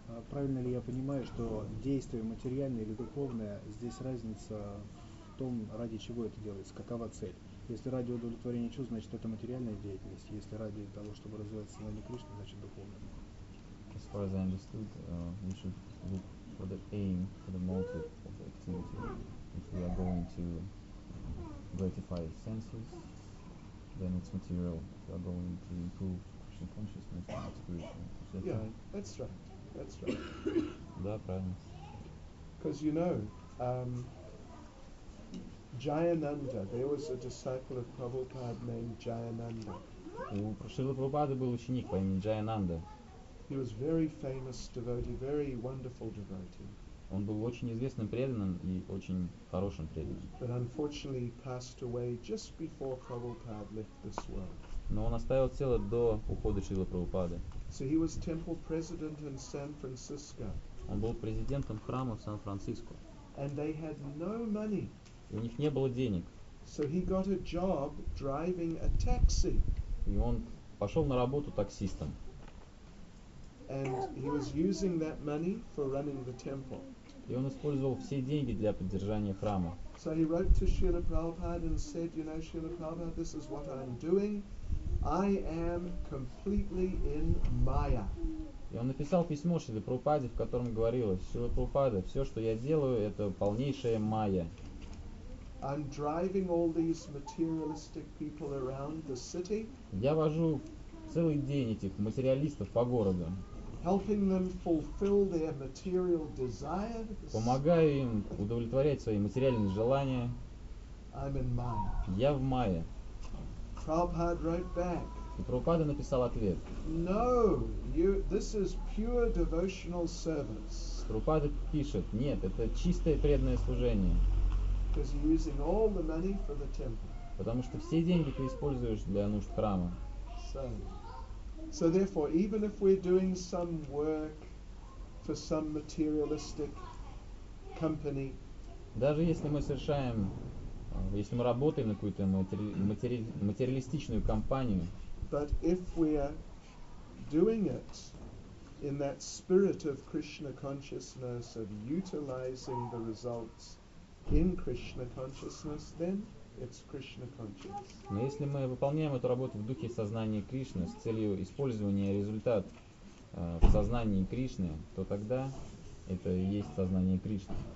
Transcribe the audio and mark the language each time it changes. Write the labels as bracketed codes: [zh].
[ru] Правильно ли я понимаю, что действие материальное или духовное, здесь разница в том, ради чего это делается, какова цель? Если ради удовлетворения чувств, значит это материальная деятельность. Если ради того, чтобы развивать сознание Кришны, значит духовное. [en] As far as I understood, we should look for the aim, for the motive of the activity. If we are going to gratify senses, then it's material. We are going to improve Krishna consciousness and spiritual. That's right. [ru] Да, правильно. [en] Because you know, Jayananda, there was a disciple of Prabhupada named Jayananda. [ru] У Шрилы Прабхупады был ученик по имени Джаянанда. [en] He was very famous devotee, very wonderful devotee. [ru] Он был очень известным преданным и очень хорошим преданным. [en] But unfortunately he passed away just before Prabhupada left this world. [ru] Но он оставил тело до ухода Шрилы Прабхупады. [en] So he was temple president in San Francisco. [ru] Он был президентом храма в Сан-Франциско. [en] And they had no money. [ru] И у них не было денег. [en] So he got a job driving a taxi. [ru] И он пошел на работу таксистом. [en] And he was using that money for running the temple. [ru] И он использовал все деньги для поддержания храма. [en] So he wrote to Srila Prabhupada and said, you know, Srila Prabhupada, this is what I'm doing. I am completely in Maya. [ru] И он написал письмо Шриле Прабхупаде, в котором говорилось: Шрила Прабхупада, все, что я делаю, это полнейшая майя. [en] I'm driving all these materialistic people around the city. [ru] Я вожу целый день этих материалистов по городу. [en] Helping them fulfill their material desires. [ru] Помогаю им удовлетворять свои материальные желания. [en] I'm in Maya. [ru] Я в майе. [en] Prabhupada wrote back. [ru] И Прабхупада написал ответ. [en] No, this is pure devotional service. [ru] Прабхупада пишет: нет, это чистое преданное служение. [en] Because you're using all the money for the temple. [ru] Потому что все деньги ты используешь для нужд храма. [en] So therefore, even if we're doing some work for some materialistic company. [ru] Даже если мы совершаем, если мы работаем на какую-то материалистичную компанию. [en] But if we are doing it in that spirit of Krishna consciousness, of utilizing the results in Krishna consciousness, then it's Krishna consciousness. [ru] Но если мы выполняем эту работу в духе сознания Кришны с целью использования результат в сознании Кришны, то тогда это и есть сознание Кришны.